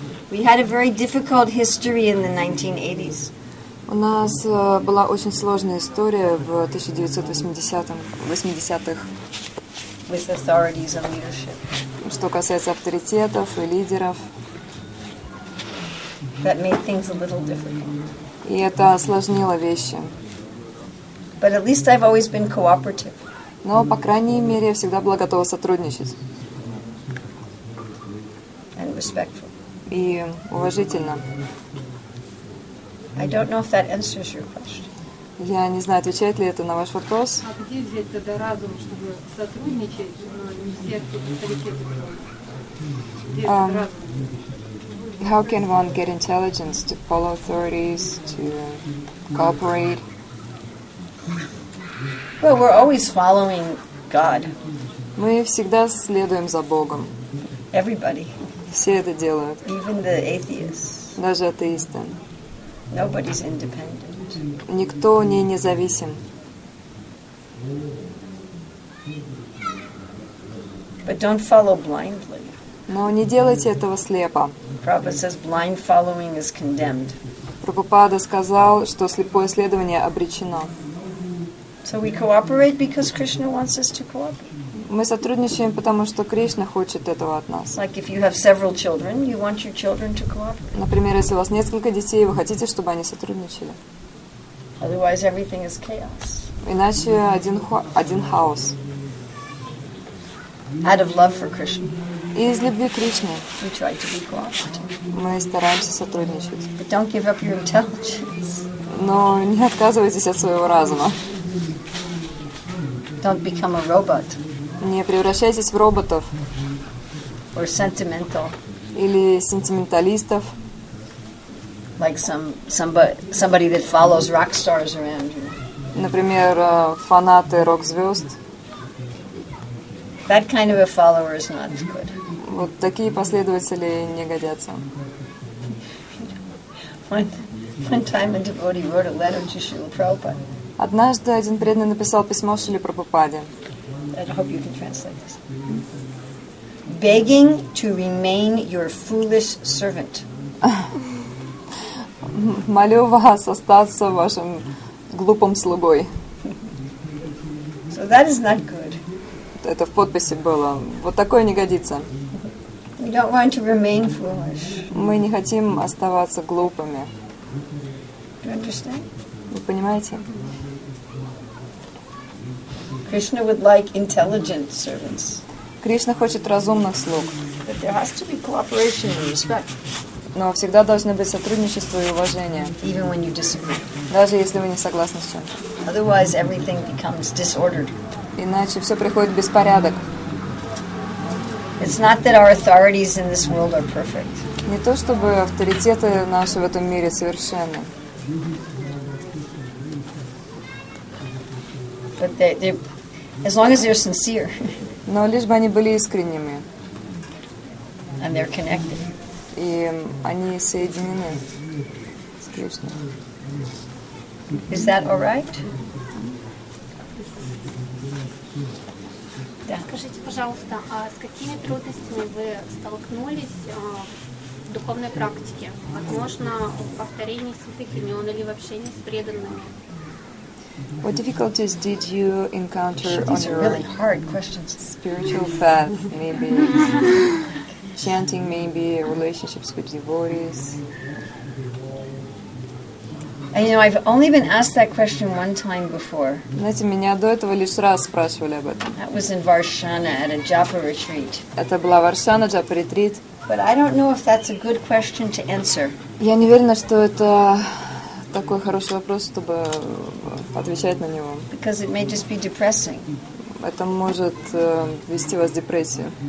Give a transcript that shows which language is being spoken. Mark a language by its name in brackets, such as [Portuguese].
[English] We had a very difficult history in the 1980s. [Russian] У нас была очень сложная история в 1980-х. [English] With authorities and leadership. [Russian] Что касается авторитетов и лидеров. [English] That made things a little difficult. [Russian] И это осложнило вещи. [English] But at least I've always been cooperative. [Russian] Но, по крайней мере, я всегда была готова сотрудничать. [English] And respectful. [Russian] И уважительно. [English] I don't know if that answers your question. [Russian] Я не знаю, отвечает ли это на ваш вопрос. А где взять тогда разум, чтобы сотрудничать, но не взять авторитет? Где разум? [English] How can one get intelligence to follow authorities, to cooperate? Well, we're always following God. [Russian] Мы всегда следуем за Богом. [English] Everybody. [Russian] Все это делают. [English] Even the atheists. [Russian] Даже атеисты. [English] Nobody's independent. [Russian] Никто не независим. [English] But don't follow blindly. [Russian] Но не делайте этого слепо. [English] Prabhupada says blind following is condemned. [Russian] Прабхупада сказал, что слепое следование обречено. [English] So we cooperate because Krishna wants us to cooperate. [Russian] Мы сотрудничаем, потому что Кришна хочет этого от нас. [English] Like if you have several children, you want your children to cooperate. [Russian] Например, если у вас несколько детей, вы хотите, чтобы они сотрудничали. [English] Otherwise everything is chaos. [Russian] Иначе один хаос. [English] Out of love for Krishna. [Russian] Из любви к Кришне. [English] We try to be cooperative. [Russian] Мы стараемся сотрудничать. [English] But don't give up your intelligence. [Russian] Но не отказывайтесь от своего разума. [English] Don't become a robot. [Russian] Не превращайтесь в роботов. [English] Or sentimental. [Russian] Или сентименталистов. [English] Like somebody that follows rock stars around you. [Russian] Например, фанаты рок-звезд. [English] That kind of a follower is not good. [Russian] Вот такие последователи не годятся. [English] One time a devotee wrote a letter to Srila Prabhupada. [Russian] Однажды один преданный написал письмо Шриле Прабхупаде. [English] I hope you can translate this. Begging to remain your foolish servant. [Russian] Молю вас остаться вашим глупым слугой. [English] So that is not good. [Russian] Это в подписи было. Вот такое не годится. [English] We don't want to remain foolish. [Russian] Мы не хотим оставаться глупыми. [English] You understand? [Russian] Вы понимаете? [English] Krishna would like intelligent servants. [Russian] Кришна хочет разумных слуг. [English] But there has to be cooperation and respect. [Russian] Но всегда должны быть сотрудничество и уважение. [English] Even when you disagree. [Russian] Даже если вы не согласны с чем-то. [English] Otherwise everything becomes disordered. [Russian] Иначе все приходит в беспорядок. [English] It's not that our authorities in this world are perfect. [Russian] Не то чтобы авторитеты наши в этом мире совершенны. [English] But they, as long as they're sincere. [Russian] Но лишь бы они были искренними. [English] And they're connected. [Russian] И они соединены с Кришной. [English] Is that all right? [Russian] Да. Скажите, пожалуйста, а с какими трудностями вы столкнулись в духовной практике? Возможно, в повторении святых имен или в общении с преданными? [English] What difficulties did you encounter on your really hard questions. Spiritual path, maybe chanting, maybe relationships with devotees? And you know, I've only been asked that question one time before. [Russian] Знаете, меня до этого лишь раз спрашивали об этом. [English] That was in Varshana at a Japa retreat. [Russian] Это была Варшана, Джапа ретрит. [English] But I don't know if that's a good question to answer. [Russian] Я не уверена, что это такой хороший вопрос, чтобы отвечать на него. [English] Because it may just be depressing. [Russian] Это может ввести вас в депрессию.